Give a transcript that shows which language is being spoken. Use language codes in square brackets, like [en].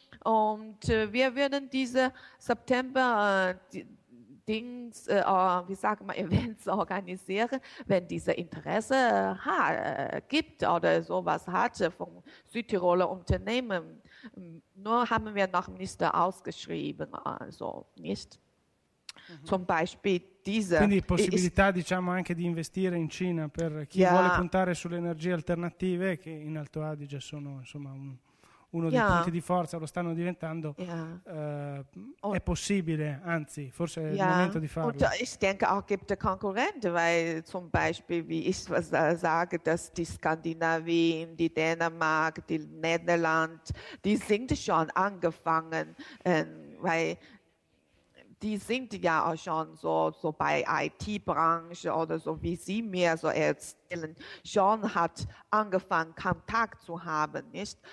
[de] Und wir werden diese September Events organisieren, wenn diese Interesse gibt oder sowas hat vom Südtiroler Unternehmen. Nur haben wir noch nicht ausgeschrieben, also nicht. Zum Beispiel diese, [it] quindi possibilità diciamo anche di investire in Cina per chi vuole puntare sulle energie alternative, che in Alto Adige sono insomma uno dei punti di forza, lo stanno diventando, è possibile, anzi forse è il momento di farlo. [de] Und ich denke auch gibt es Konkurrenten, weil zum Beispiel wie ich was sage, dass die Skandinavien, die Dänemark, die Niederland, die sind schon angefangen, weil die sind ja auch schon so bei IT-Branche oder so, wie Sie mir so erzählen, schon hat angefangen, Kontakt zu haben, nicht?